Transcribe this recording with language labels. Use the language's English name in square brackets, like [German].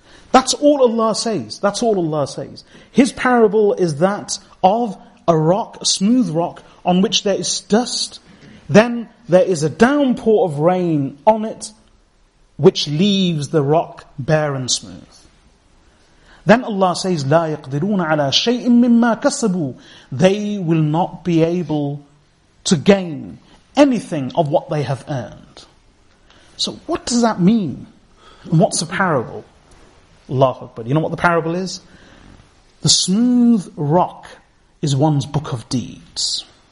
[English] That's all Allah says. That's all Allah says. His parable is that of a rock, a smooth rock, on which there is dust. Then there is a downpour of rain on it, which leaves the rock bare and smooth. Then Allah says, [Arabic] لا يقدرون على شيء مما كسبوا. [English] They will not be able to gain anything of what they have earned. So what does that mean? And what's a parable? Allahu Akbar. You know what the parable is? The smooth rock is one's book of deeds.